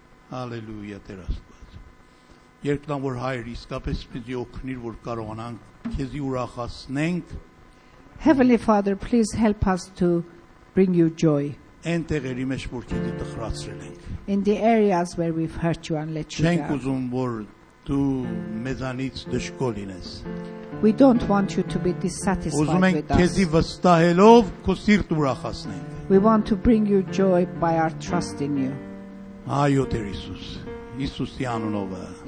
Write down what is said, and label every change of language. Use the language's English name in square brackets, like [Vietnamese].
[Armenian] Հալելույա Տեր Աստված։ Երկնավոր Հայր, իսկապես պիտի օգնիր, որ կարողանանք քեզի ուրախացնենք։ [English] Heavenly Father, please help us to bring you joy. [Armenian] Այն տեղերի մեջ, որ քեզի տխրացրել ենք։ [English] In the areas where we've hurt you and let you down. [Armenian] Չենք ուզում, որ դու մեզանից դժգոհ լինես։ [English] We don't want you to be dissatisfied with us. [Armenian] Ուզում ենք քեզի վստահելով քո սիրտ ուրախացնենք։ [English] We want to bring you joy by our trust in you. [Armenian] Այո Տեր Իսուս, Իսուսի անունով։